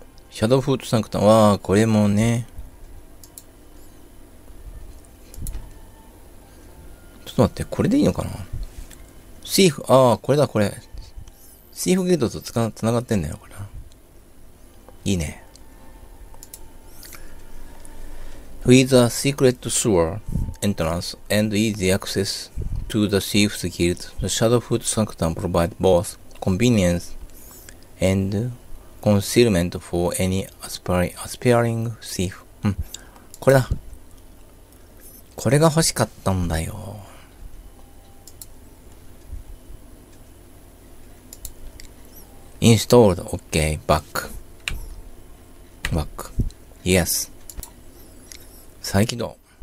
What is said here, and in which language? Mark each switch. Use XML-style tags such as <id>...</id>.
<ja>シャドウフートサンクタン、わあ、これもね。ちょっと待って、これでいいのかな？シーフ、ああ、これだ、これ。シーフゲートとつながってんだよ、これ。いいね。</ja> <en>With a secret sewer entrance and easy access to the Chief's Guild, the Shadowfoot Sanctum provides both convenience and concealment for any aspiring thief.</en> <ja>うん。これだ。これが欲しかったんだよ。</ja> <en>Installed. Okay. Back. Back. Yes.</en> <ja>再起動。</ja>